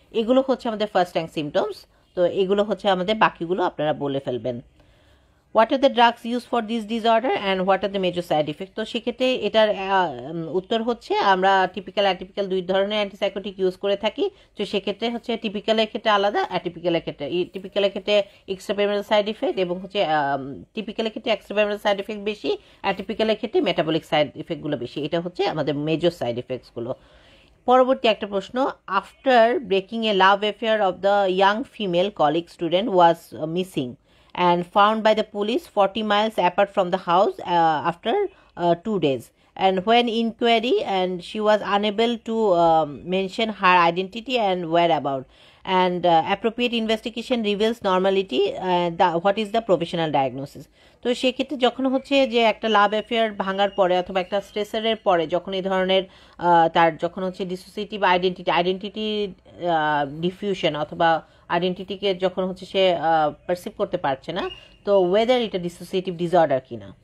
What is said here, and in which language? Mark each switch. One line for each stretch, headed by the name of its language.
Bangla: এগুলো হচ্ছে আমাদের ফার্স্ট র্যাঙ্ক সিমটমস। তো এগুলো হচ্ছে আমাদের, বাকিগুলো আপনারা বলে ফেলবেন।
English: What are the drugs used for this disorder and what are the major side effects?
Bangla: তো সেক্ষেত্রে এটার উত্তর হচ্ছে আমরা টিপিক্যাল অ্যাটিপিক্যাল দুই ধরনের অ্যান্টিসাইকোটিক ইউজ করে থাকি। তো সেক্ষেত্রে হচ্ছে টিপিক্যালের ক্ষেত্রে আলাদা, অ্যাটিপিক্যালের ক্ষেত্রে এক্সট্রাপিরামিডাল সাইড ইফেক্ট, এবং হচ্ছে টিপিক্যালের ক্ষেত্রে এক্সট্রাপিরামিডাল সাইড ইফেক্ট বেশি, অ্যাটিপিক্যালের ক্ষেত্রে মেটাবলিক সাইড ইফেক্টগুলো বেশি। এটা হচ্ছে আমাদের মেজর সাইড ইফেক্টসগুলো। পরবর্তী একটা প্রশ্ন,
English: After breaking a love affair of the young female colleague student was missing and found by the police 40 miles apart from the house after 2 days and when inquiry and she was unable to mention her identity and whereabout and appropriate investigation reveals normality what is the professional diagnosis.
Bangla: তো সেক্ষেত্রে যখন হচ্ছে যে একটা love affair ভাঙার পরে অথবা একটা স্ট্রেসারের পরে যখন এই ধরনের তার যখন হচ্ছে ডিসোসিয়েটিভ আইডেন্টিটি ডিফিউশন অথবা আইডেন্টিটিকে যখন হচ্ছে সে পারসিভ করতে পারছে না, তো ওয়েদার এটা ডিসোসিয়েটিভ ডিসঅর্ডার কি না।